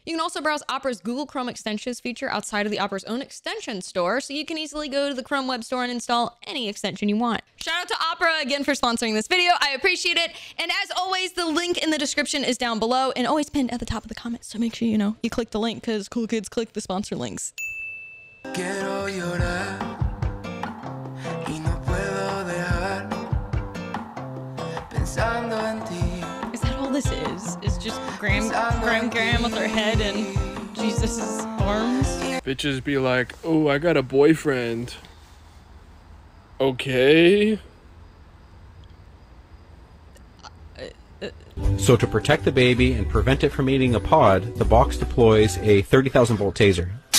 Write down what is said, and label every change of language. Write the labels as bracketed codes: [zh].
[en] You can also browse Opera's Google Chrome extensions feature outside of the Opera's own extension store so you can easily go to the Chrome Web Store and install any extension you want. Shout out to Opera again for sponsoring this video. I appreciate it. And as always, the link in the description is down below and always pinned at the top of the comments. So make sure you know you click the link because cool kids click the sponsor links. [es] Quiero llorar y no puedo dejar pensando en ti. [en] Is that all this is? It's just Graham with her head and Jesus' arms? Bitches be like, oh, I got a boyfriend. Okay. So to protect the baby and prevent it from eating a pod, the box deploys a 30,000 volt taser.